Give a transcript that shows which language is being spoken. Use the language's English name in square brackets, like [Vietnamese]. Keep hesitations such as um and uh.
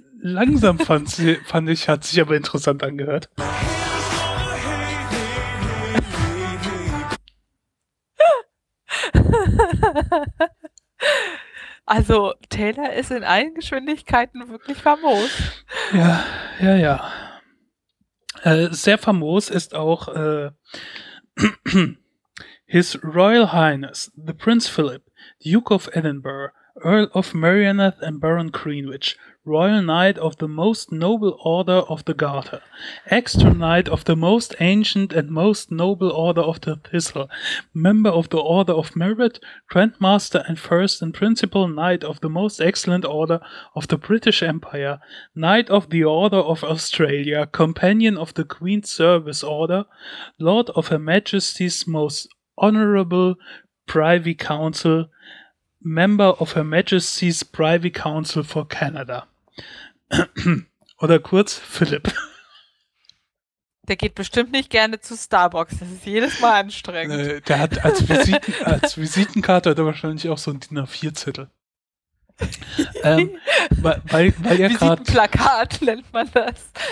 [German] langsam fand, sie- fand ich, hat sich aber interessant angehört. Also Taylor ist in allen Geschwindigkeiten wirklich famos. Ja, ja, ja. Äh, sehr famos ist auch äh, [English] His Royal Highness, the Prince Philip, Duke of Edinburgh, Earl of Merioneth and Baron Greenwich, Royal Knight of the Most Noble Order of the Garter, Extra Knight of the Most Ancient and Most Noble Order of the Thistle, Member of the Order of Merit, Grand Master and First and Principal Knight of the Most Excellent Order of the British Empire, Knight of the Order of Australia, Companion of the Queen's Service Order, Lord of Her Majesty's Most Honourable Privy Council, Member of Her Majesty's Privy Council for Canada. [German] Oder kurz Philipp. Der geht bestimmt nicht gerne zu Starbucks. Das ist jedes Mal anstrengend. Äh, Der hat als, Visiten, als Visitenkarte hat er wahrscheinlich auch so einen DIN A4-Zettel. ähm, weil, weil, weil ja gerade Visitenplakat nennt man das.